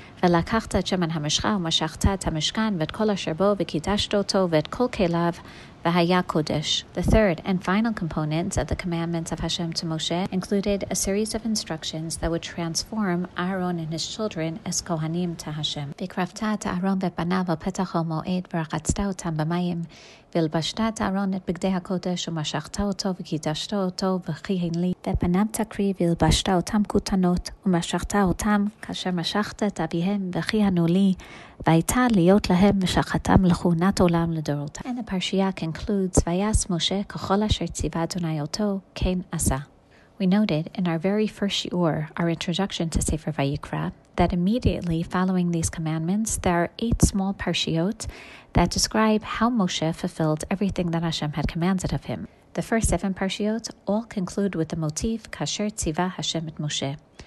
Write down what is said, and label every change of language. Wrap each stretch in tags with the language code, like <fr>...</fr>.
<he>ולקחת את שמן המשחה ומשכת את המשכן ואת כל אשר בו וקידשת אותו ואת כל כליו והיה קודש.</he> <en>The third and final components of the commandments of Hashem to Moshe included a series of instructions that would transform Aaron and his children as Kohanim to Hashem.</en> <he>וקרבת את אהרון ובניו על פתח המועד ורחצת אותם במים ולבשת את אהרון את בגדי הקודש ומשכת אותו וקידשת אותו וכיהן לי. ובניו תקרי ולבשת אותם כותנות ומשכת אותם כאשר משכת את אביהם וכיהנו לי. והייתה להיות להם משחתם לכהונת עולם לדורותם.</he> <en>And the parashia concludes,</en> <he>ויעש משה ככל אשר ציווה אדוני אותו, כן עשה.</he> <en>We noted in our very first shiur, our introduction to Sefer Vayikra, that immediately following these commandments, there are eight small parashiot that describe how Moshe fulfilled everything that Hashem had commanded of him. The first seven parashiot all conclude with the motif,</en> <he>כאשר ציווה Hashem את משה.</he>